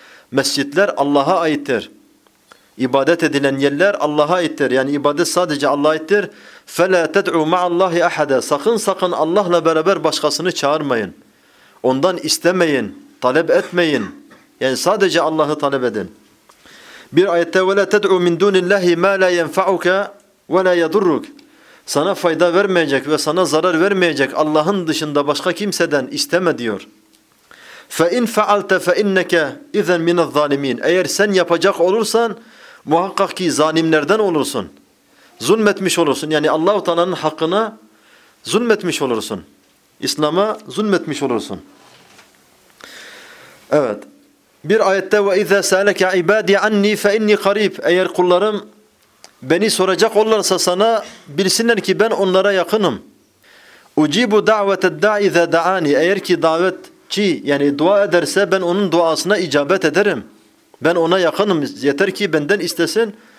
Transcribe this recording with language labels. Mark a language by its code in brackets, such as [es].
[tr] Mescitler Allah'a aittir. İbadet edilen yerler Allah'a aittir. Yani ibadet sadece Allah'a aittir. [ar] فَلَا تَدْعُوا مَعَ اللّٰهِ اَحَدًا. [tr] Sakın sakın Allah'la beraber başkasını çağırmayın. Ondan istemeyin, talep etmeyin. Yani sadece Allah'ı talep edin. Bir ayette [ar] وَلَا تَدْعُوا مِنْ دُونِ اللّٰهِ مَا لَا يَنْفَعُكَ وَلَا يَضُرُّكَ. [tr] Sana fayda vermeyecek ve sana zarar vermeyecek Allah'ın dışında başka kimseden isteme diyor. [ar] فَاِنْ فَعَلْتَ فَاِنَّكَ اِذَنْ مِنَ الظَّالِم۪ينَ. [tr] Eğer sen yapacak olursan muhakkak ki zalimlerden olursun. zulmetmiş olursun. Yani Allah-u Teala'nın hakkına zulmetmiş olursun. İslam'a zulmetmiş olursun. Evet. Bir ayette [ar] وَاِذَا سَأَلَكَ عِبَادِ عَنِّي فَاِنِّي قَرِيبٌ. [tr] Eğer kullarım beni soracak olursa sana bilsinler ki ben onlara yakınım. [ar] اُجِيبُ دَعْوَةَ الدَّعِ اِذَا دَعَانِي. [tr] Eğer ki davetçi yani dua ederse ben onun duasına icabet ederim. Ben ona yakınım. Yeter ki benden istesin.